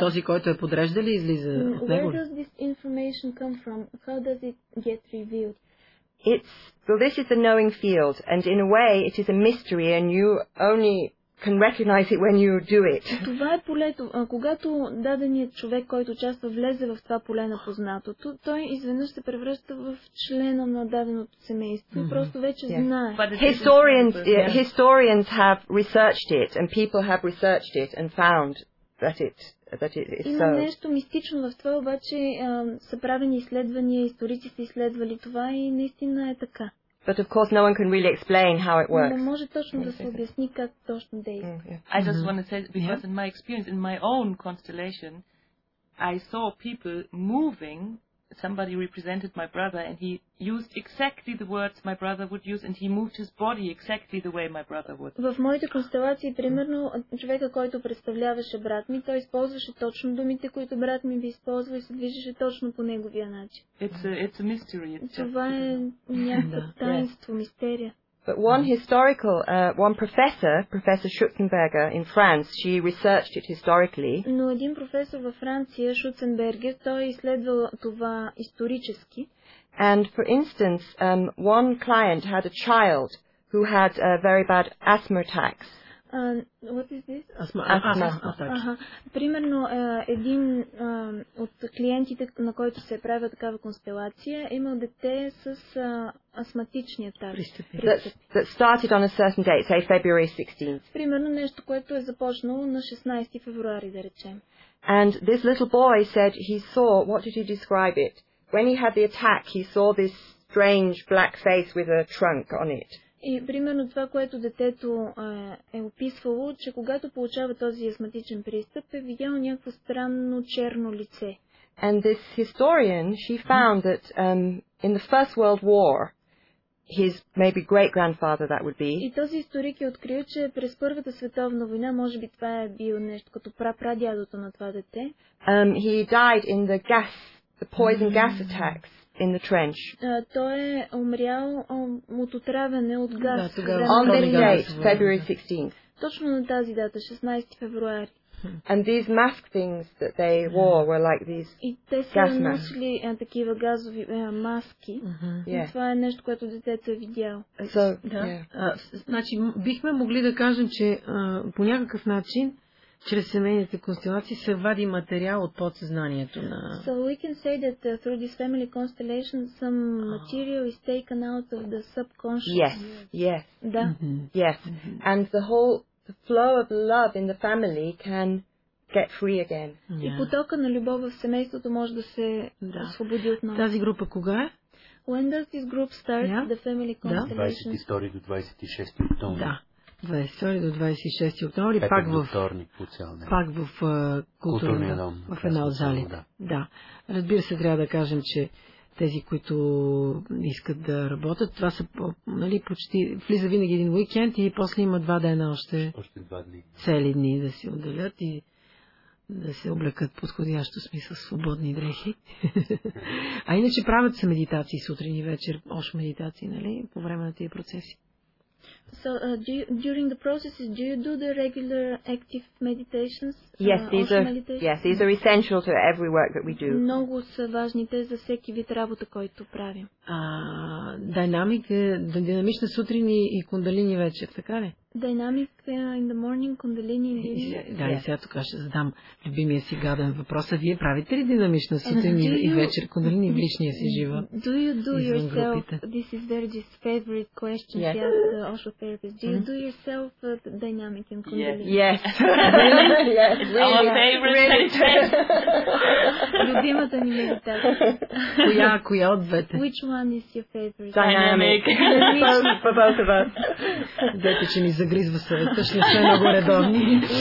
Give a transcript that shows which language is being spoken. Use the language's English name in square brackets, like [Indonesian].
[Bulgarian] Този, който е подреждали, излиза от него. [English] Where does this information come from? How does it get revealed? This is the knowing field, and in a way it is a mystery, and you only can recognize it when you do it. [Bulgarian] Това е полето. Когато даденият човек, който участва, влезе в това поле на познатото, той изведнъж се превръща в члена на даденото семейство. Mm-hmm. Просто вече знае. [English] Historians have researched it, and people have researched it and found that it is [Bulgarian] so. Има нещо мистично в това, обаче са правени изследвания, историци са изследвали това и наистина е така. [English] But of course no one can really explain how it works. [Bulgarian] Не може точно да се обясни как точно действа. [English] I just want to say, because in my experience, in my own constellation, I saw people moving. Somebody represented my brother, and he used exactly the words my brother would use, and he moved his body exactly the way my brother would. [Bulgarian] В моите констелации, примерно, човека, който представляваше брат ми, той използваше точно думите, които брат ми би използвал, и се движеше точно по неговия начин. [English] It's a mystery. [Bulgarian] Това е някакво таинство, мистерия. [English] But one historical, one professor Schutzenberger in France, she researched it historically. [Bulgarian] Но един професор във Франция, Шуценбергер, той изследвал това исторически. [English] And for instance, one client had a child who had a very bad asthma attacks. What is this? Asthma attacks. [Bulgarian] Примерно един от клиентите, на който се прави такава констелация, имал дете с астматични атаки. [English] That started on a certain date, say February 16th. [Bulgarian] Примерно нещо, което е започнало на 16 февруари, да речем. [English] And this little boy said he saw, what did he describe it? When he had the attack, he saw this strange black face with a trunk on it. [Bulgarian] И примерно това, което детето е описвало, че когато получава този астматичен пристъп, е видяло някакво странно черно лице. [English] And this historian, she found that in the First World War, his maybe great-grandfather that would be. [Bulgarian] И този историк е открил, че през Първата световна война, може би това е било нещо като прадядото на това дете. [English] He died in the gas, the poison gas attacks. In the trench. [Bulgarian] Той е умрял от отравяне от газ. Да, [English] on this date, February 16th. [Bulgarian] Точно на тази дата, 16 февруари. [English] And these mask things that they wore were like these gas masks. [Bulgarian] И те са носили такива газови маски. И това е нещо, което детето е видял. [English] So, [Bulgarian] значи бихме могли да кажем, че по някакъв начин чрез семейните констелации се вади материал от подсъзнанието на... [English] So we can say that through this family constellation some material is taken out of the subconscious. Yes, yes. [Bulgarian] Да. [English] Mm-hmm. Yes. Mm-hmm. And the whole flow of love in the family can get free again. [Bulgarian] Yeah. И потока на любов в семейството може да се освободи отново. Тази група кога е? [English] When does this group start, yeah? The family constellation? [Bulgarian] 22 до 26 октомври. Да. 22 до 26 октомври, пак в вторник по цял ден. Пак в културния дом. В една от залите. Да. Да. Разбира се, трябва да кажем, че тези, които искат да работят, това са, нали, почти, влиза винаги един уикенд и после има два дена още. Още два дни. Цели дни да си отделят и да се облекат подходящо, смисъл, свободни дрехи. А иначе правят се медитации сутрин и вечер, още медитации, нали, по време на тези процеси. [English] So during the processes, do you do the regular active meditations? Yes, these are essential to every work that we do. [Bulgarian] Много са важните за всеки вид работа, който правим. Динамична сутрин и кундалини вечер, така ли? [English] Dynamic in the morning, кундалини in the evening. [Bulgarian] Да, и сега тук ще задам любимия си гаден въпрос. А вие правите ли динамична сутрин и вечер, кундалини в личния си живот? [English] Do you do yourself, this is Verdi's favorite question, yes. Yes, the Osho therapist. Do you do yourself dynamic in kundalini? Yes. Really? Yes, really. Our favorite meditation. [Bulgarian] Любимата ми медитация. Коя от двете? [English] Which one is your favorite? Dynamic. For both of us. [Bulgarian] Дете, че ми загризва съвета, ще сме много редовни.